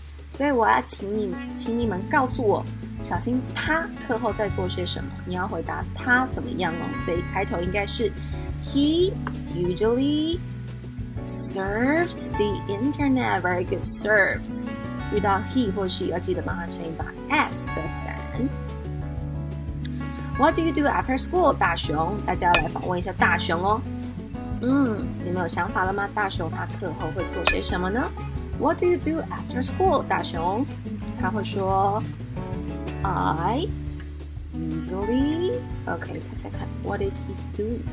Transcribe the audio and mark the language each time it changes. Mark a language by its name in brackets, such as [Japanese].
[Chinese] 所以我要请你们告诉我小新他课后在做些什么，你要回答他怎么样哦。所以开头应该是 [English] He usually surfs the internet, very good, surfs. [Chinese] 遇到 he 或是要记得帮他撑一把 s 的伞。 [English] What do you do after school? [Chinese] 大熊，大家要来访问一下大熊哦。你们有想法了吗？大熊他课后会做些什么呢？ [English] What do you do after school? [Chinese] 大熊他会说 [English] I usually OK, [Chinese] 猜猜看 [English] What is he do?